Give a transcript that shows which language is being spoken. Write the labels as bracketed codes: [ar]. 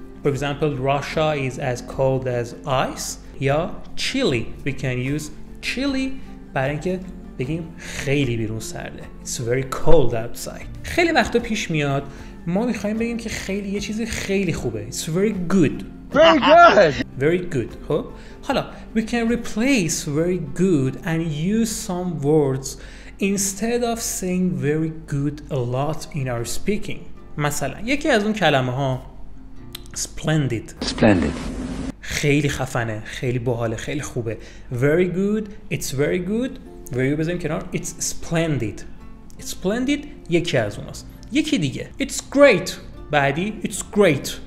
[en] For example, Russia is as cold as ice. یا chilly. We can use chilly [fa] برای اینکه بگیم خیلی بیرون سرده. [en] It's very cold outside. [fa] خیلی وقتا پیش میاد ما میخواییم بگیم که خیلی یه چیزی خیلی خوبه. [en] It's very good. Very good. Very good. Huh? حالا we can replace very good and use some words instead of saying very good a lot in our speaking. [fa] مثلا یکی از اون کلمه ها splendid. [en] Splendid. [fa] خیلی خفنه، خیلی باحاله، خیلی خوبه. [en] Very good. It's very good. Very good [fa] بزنیم کنار. [en] It's splendid. It's splendid [fa] یکی از اوناست. یکی دیگه. [en] It's great. بعدی it's great.